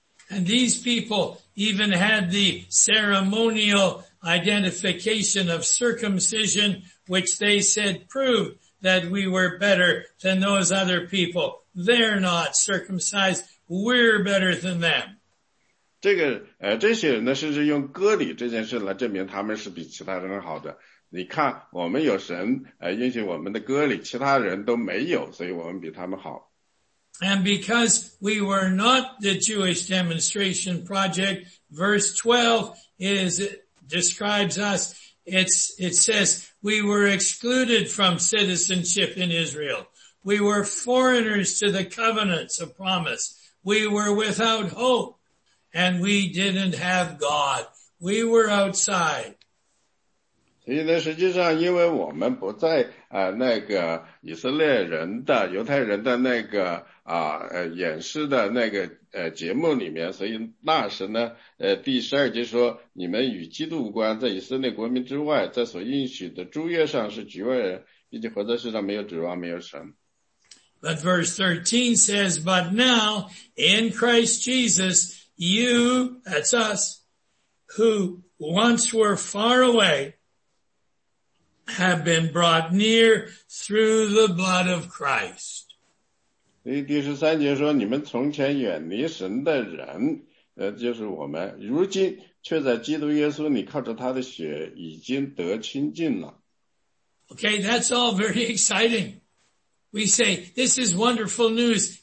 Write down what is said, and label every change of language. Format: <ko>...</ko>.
<en>And these people even had the ceremonial identification of circumcision, which they said proved that we were better than those other people. They're not circumcised. We're better than them.</en> <zh>这些人呢，甚至用割礼这件事来证明他们是比其他人好的。你看，我们有神，允许我们的割礼，其他人都没有，所以我们比他们好。</zh> <en>And because we were not the Jewish demonstration project, verse 12 describes us, it says, we were excluded from citizenship in Israel. We were foreigners to the covenants of promise. We were without hope. And we didn't have God. We were outside.</en> <zh>所以呢，实际上，因为我们不在那个以色列人的犹太人的那个演示的那个节目里面，所以那时呢，第十二节说，你们与基督无关，在以色列国民之外，在所应许的诸约上是局外人，并且活在世上没有指望，没有神。</zh> <en>But verse 13 says, "But now in Christ Jesus." You, that's us, who once were far away, have been brought near through the blood of Christ.</en> <zh>第十三节说，你们从前远离神的人，就是我们，如今却在基督耶稣里靠着他的血已经得亲近了。</zh> <en>Okay, that's all very exciting. We say, this is wonderful news.</en>